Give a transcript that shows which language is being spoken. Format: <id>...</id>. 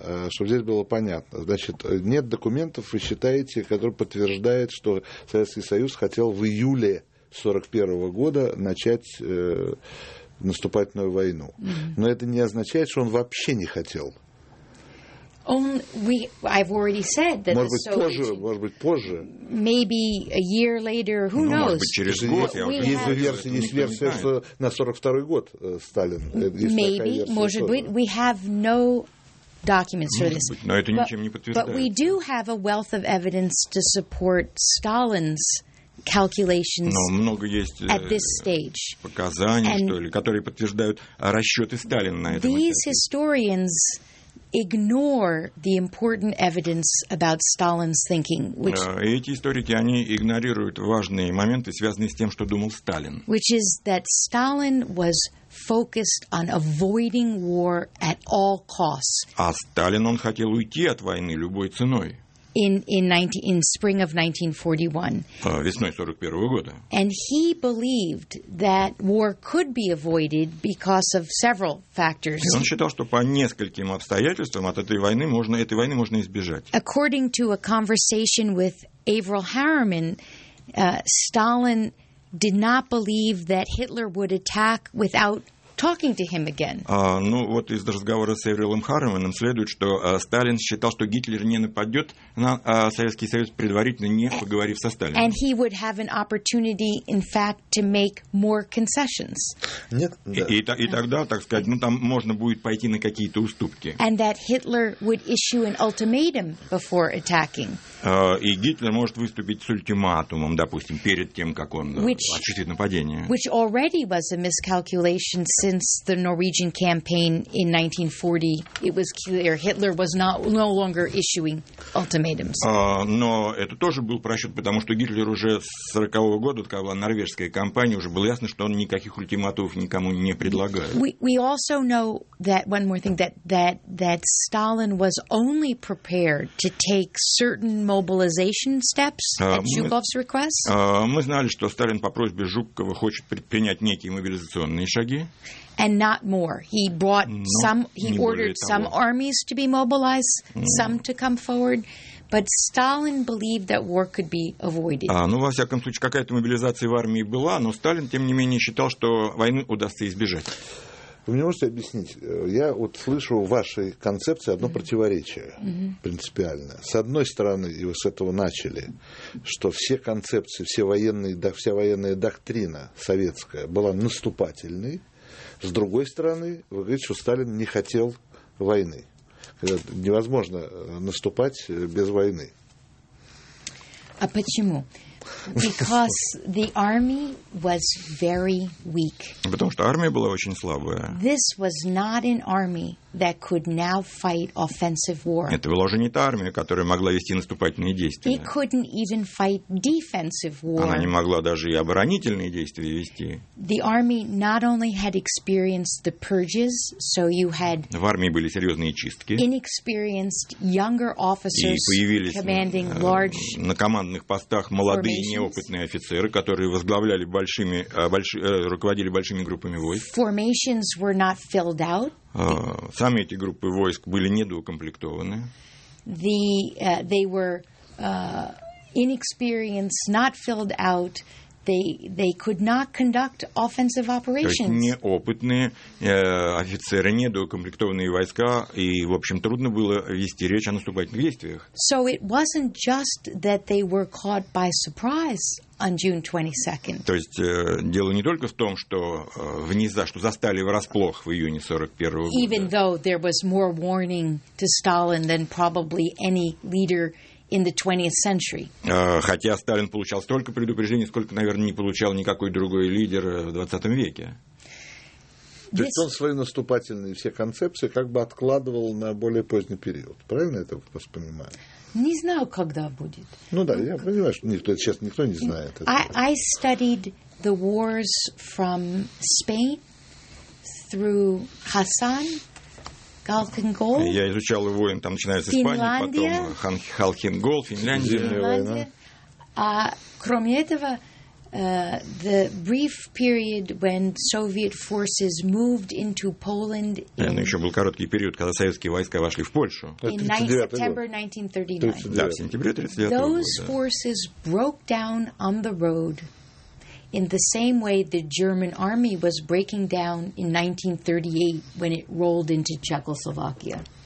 <ru>Чтобы здесь было понятно. Значит, нет документов, вы считаете, которые подтверждают, что Советский Союз хотел в июле 41-го года начать наступательную войну. Но это не означает, что он вообще не хотел.</ru> <en>I've already said that</en> <ru>может</ru> <en>the Soviet</en> <ru>позже, может быть, позже.</ru> <en>Maybe a year later, who knows?</en> <ru>Может быть, через год. Есть версия, что на 42-й год Сталин.</ru> <en>Maybe,</en> <ru>может быть,</ru> <en>we have no documents for this.</en> <ru>Но это ничем не подтверждается.</ru> <en>But we do have a wealth of evidence to support Stalin's calculations.</en> <ru>Но много есть</ru> <en>at this stage.</en> <ru>Показания, что ли, которые подтверждают расчеты Сталина на этом.</ru> <en>These historians ignore the important evidence about Stalin's thinking, which</en> <ru>эти историки, они игнорируют важные моменты, связанные с тем, что думал Сталин.</ru> <en>Which is that Stalin was focused on avoiding war at all costs.</en> <ru>А Сталин, он хотел уйти от войны любой ценой.</ru> <en>In spring of 1941.</en> <ru>Весной 41-го года.</ru> <en>And he believed that war could be avoided because of several factors.</en> <ru>И он считал, что по нескольким обстоятельствам от этой войны можно избежать.</ru> <en>According to a conversation with Averell Harriman, Stalin did not believe that Hitler would attack without talking to him again.</en> <ru>Ну, вот из разговора с Эвриллом Харрименом следует, что Сталин считал, что Гитлер не нападет на Советский Союз, предварительно не поговорив со Сталином.</ru> <en>And he would have an opportunity, in fact, to make more concessions.</en> <ru>И тогда, так сказать, там можно будет пойти на какие-то уступки.</ru> <en>And that Hitler would issue an ultimatum before attacking.</en> <ru>И Гитлер может выступить с ультиматумом, допустим, перед тем, как он осуществит нападение.</ru> <en>Which already was a miscalculation since the Norwegian campaign in 1940. It was clear Hitler was no longer issuing ultimatums.</en> <ru>Но это тоже был просчет, потому что Гитлер уже с 40-го года, когда была норвежская кампания, уже было ясно, что он никаких ультиматумов никому не предлагает.</ru> <en>We also know that one more thing, that Stalin was only prepared to take certain mobilization steps at Zhukov's request.</en> <ru>Мы знали, что Сталин по просьбе Жукова хочет предпринять некие мобилизационные шаги.</ru> <en>And not more. He brought some. He ordered some armies to be mobilized, some to come forward. But Stalin believed that war could be avoided.</en> <ru>Во всяком случае, какая-то мобилизация в армии была, но Сталин тем не менее считал, что войны удастся избежать. Вы мне можете объяснить? Я вот слышу в вашей концепции одно противоречие принципиальное. С одной стороны, и вы с этого начали, что все концепции, вся военная доктрина советская была наступательной. С другой стороны, вы говорите, что Сталин не хотел войны. Невозможно наступать без войны. А почему?</ru> <en>Because the army was very weak.</en> <ru>Потому что армия была очень слабая.</ru> <en>This was not an army that could now fight offensive war.</en> <ru>Это была уже не та армия, которая могла вести наступательные действия.</ru> <en>It couldn't even fight defensive war.</en> <ru>Она не могла даже и оборонительные действия вести.</ru> <en>The army not only had experienced the purges, so you had.</en> <ru>В армии были серьезные чистки.</ru> <en>Inexperienced younger officers commanding large.</en> <ru>И появились на командных постах молодые неопытные офицеры, которые возглавляли руководили большими группами войск.</ru> <en>Formations were not filled out.</en> <ru>Сами эти группы войск были недоукомплектованы.</ru> <en>They were inexperienced, not filled out. They could not conduct offensive operations.</en> <ru>То есть неопытные офицеры, недоукомплектованные войска, и, в общем, трудно было вести речь о наступательных действиях.</ru> <en>So it wasn't just that they were caught by surprise on June 22nd.</en> <ru>То есть дело не только в том, что что застали врасплох в июне 41-го года.</ru> <en>Even though there was more warning to Stalin than probably any leader in the 20th century.</en> <ru>Хотя Сталин получал столько предупреждений, сколько, наверное, не получал никакой другой лидер в 20 веке. То есть он свои наступательные все концепции как бы откладывал на более поздний период. Правильно я это воспринимаю? Не знаю, когда будет. Я понимаю, что никто не знает.</ru> <en>I studied the wars from Spain through Hassan.</en> <ru>Халхин-Гол. Я изучал войны, там начинается с Испании, потом Халхин-Гол, Финляндия. А кроме этого,</ru> <en>the brief period when Soviet forces moved into Poland.</en> <ru>Еще был короткий период, когда советские войска вошли в Польшу. В сентябре 1939.</ru> <en>Those forces broke down on the road. In the same way the German army was breaking down in 1938 when it rolled into Czechoslovakia.</en>